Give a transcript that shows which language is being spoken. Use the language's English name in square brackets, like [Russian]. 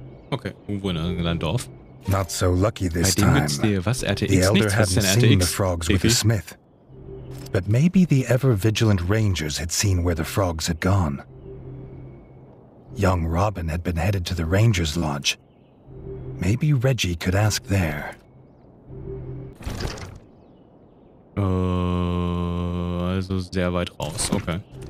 [German] Okay, irgendwo in irgendeinem Dorf. [English] Not so lucky this time. [German] Was RTX? [English] The Elder hadn't seen the frogs with the Smith. But maybe the ever-vigilant rangers had seen where the frogs had gone. Young Robin had been headed to the Ranger's Lodge. Maybe Reggie could ask there. [German] Also sehr weit raus, okay.